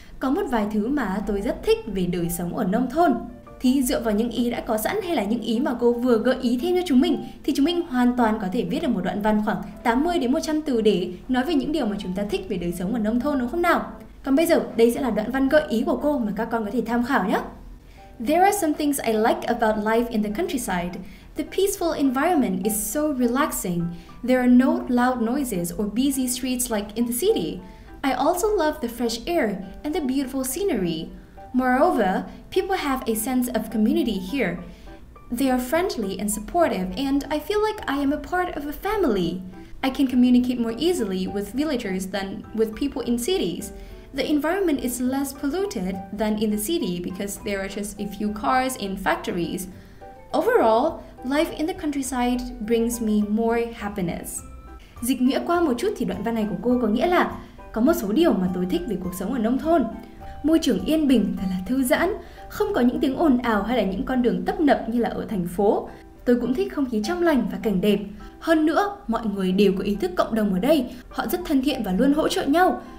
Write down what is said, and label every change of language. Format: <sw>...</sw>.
<vi>Có một vài thứ mà tôi rất thích về đời sống ở nông thôn. Thì dựa vào những ý đã có sẵn hay là những ý mà cô vừa gợi ý thêm cho chúng mình thì chúng mình hoàn toàn có thể viết được một đoạn văn khoảng 80 đến 100 từ để nói về những điều mà chúng ta thích về đời sống ở nông thôn đúng không nào? Còn bây giờ, đây sẽ là đoạn văn gợi ý của cô mà các con có thể tham khảo nhé.</vi> <en>There are some things I like about life in the countryside. The peaceful environment is so relaxing. There are no loud noises or busy streets like in the city. I also love the fresh air and the beautiful scenery. Moreover, people have a sense of community here. They are friendly and supportive, and I feel like I am a part of a family. I can communicate more easily with villagers than with people in cities. The environment is less polluted than in the city because there are just a few cars and factories. Overall, life in the countryside brings me more happiness.</en> <vi>Dịch nghĩa qua một chút thì đoạn văn này của cô có nghĩa là có một số điều mà tôi thích về cuộc sống ở nông thôn. Môi trường yên bình thật là thư giãn, không có những tiếng ồn ào hay là những con đường tấp nập như là ở thành phố. Tôi cũng thích không khí trong lành và cảnh đẹp. Hơn nữa, mọi người đều có ý thức cộng đồng ở đây, họ rất thân thiện và luôn hỗ trợ nhau.</vi>